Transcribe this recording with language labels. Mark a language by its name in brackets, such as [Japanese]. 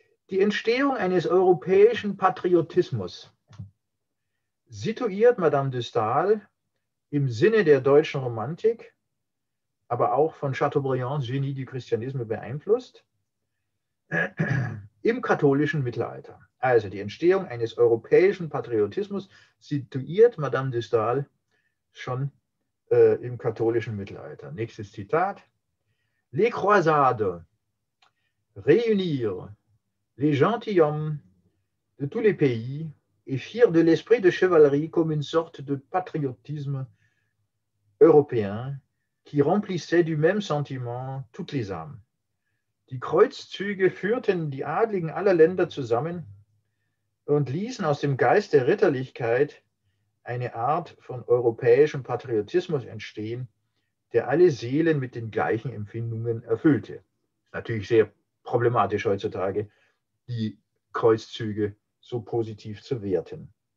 [German] Die Entstehung eines europäischen Patriotismus situiert Madame de Staël im Sinne der deutschen Romantik, aber auch von Chateaubriands Genie du Christianisme beeinflusst, im katholischen Mittelalter. Also die Entstehung eines europäischen Patriotismus situiert Madame de Staël schon im katholischen Mittelalter. Nächstes Zitat. [French] Les croisades réunir les gentilshommes de tous les pays et firent de l'esprit de chevalerie comme une sorte de patriotisme européen qui remplissait du même sentiment toutes les âmes. [German] Die Kreuzzüge führten die Adligen aller Länder zusammen und ließen aus dem Geist der Ritterlichkeit eine Art von europäischem Patriotismus entstehen, der alle Seelen mit den gleichen Empfindungen erfüllte. Natürlich sehr problematisch heutzutage, die Kreuzzüge so positiv zu werten.